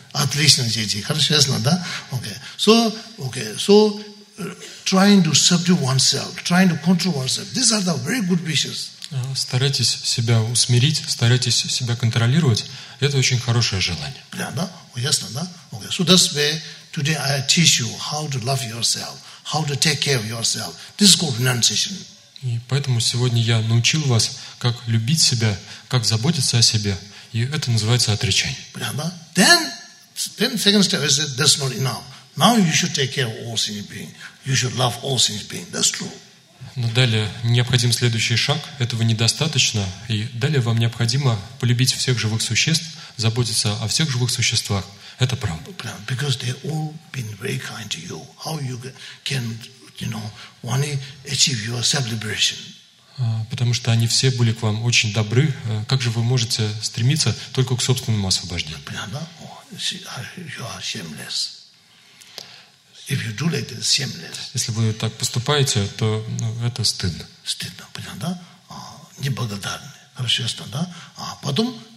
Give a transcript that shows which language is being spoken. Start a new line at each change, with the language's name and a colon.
Russian: Отлично, дети. Хорошо, ясно, да? Окей.
English: So, trying to subdue oneself, trying to control oneself. These are the very good wishes.
Russian: Старайтесь себя усмирить, старайтесь себя контролировать. Это очень хорошее желание. Да? Ясно, да?
English: Okay. So that's where today I teach you how to love yourself, how to take care of yourself. This is called renunciation.
Russian: И поэтому сегодня я научил вас, как любить себя, как заботиться о себе. И это называется отречение. Да?
English: Then second step is that that's not enough. Now you should take care of all sentient beings. You should love all sentient beings. That's true.
Russian: Но далее необходим следующий шаг. Этого недостаточно. И далее вам необходимо полюбить всех живых существ, заботиться о всех живых существах. Это правда.
English: Because they all been very kind to you. How you can, you know, want to achieve your self-liberation?
Russian: Потому что они все были к вам очень добры. Как же вы можете стремиться только к собственному освобождению?
English: Prananda, oh, you are shameless. If you do like this, shameless.
Russian: Если вы так поступаете, то это стыдно. Стыдно, понятно, да? Неблагодарны. Хорошо, ясно, да? А потом